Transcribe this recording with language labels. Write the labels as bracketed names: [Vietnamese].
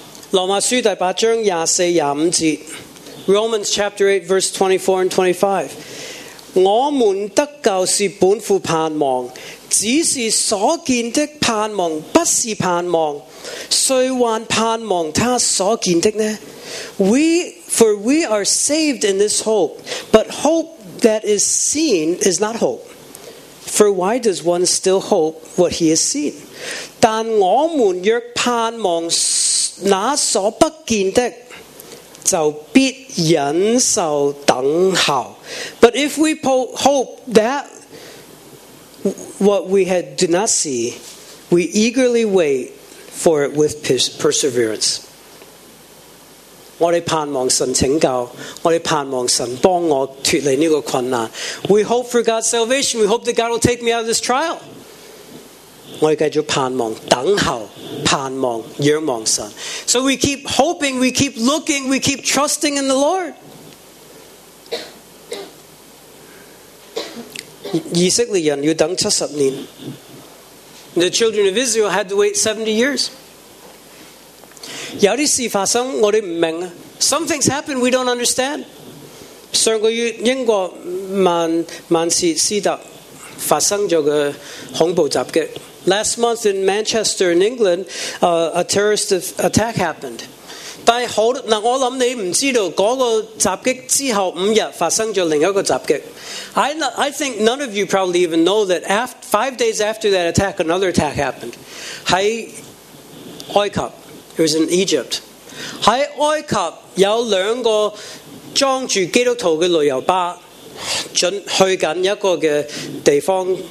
[Chinese] 罗马书第八章24-25. [English] Romans chapter 8 verse 24 and 25. [Chinese] 我们得救是本乎盼望，只是所见的盼望不是盼望，谁还盼望他所见的呢？ [English] For we are saved in this hope, but hope that is seen is not hope. For why does one still hope what he has seen? [Chinese] 但我们若盼望那所不见的，就必忍受等候。 [English] But if we hope that what we had do not see, we eagerly wait for it with perseverance. [Chinese] 我们盼望神拯救，我们盼望神帮我脱离这个困难。 [English] We hope for God's salvation, we hope that God will take me out of this trial. [Chinese] 我们继续盼望等候盼望仰望神。 [English] So we keep hoping, we keep looking, we keep trusting in the Lord. [Chinese] 以色列人要等70年。 [English] The children of Israel had to wait 70 years. [Chinese] 有些事发生我们不明白。 [English] Some things happen we don't understand. [Chinese] 上个月英国曼彻斯特发生了个恐怖袭击。 [English] Last month in Manchester in England, a terrorist attack happened. [Chinese] 但是好，那我想你不知道，那个袭击之后五日发生了另一个袭击。 [English] I think none of you probably even know that after, 5 days after that attack, another attack happened. [Chinese] 在埃及， [English] it was in Egypt. [Chinese] 在埃及有两个装住基督徒的旅游巴，准去紧一个的地方，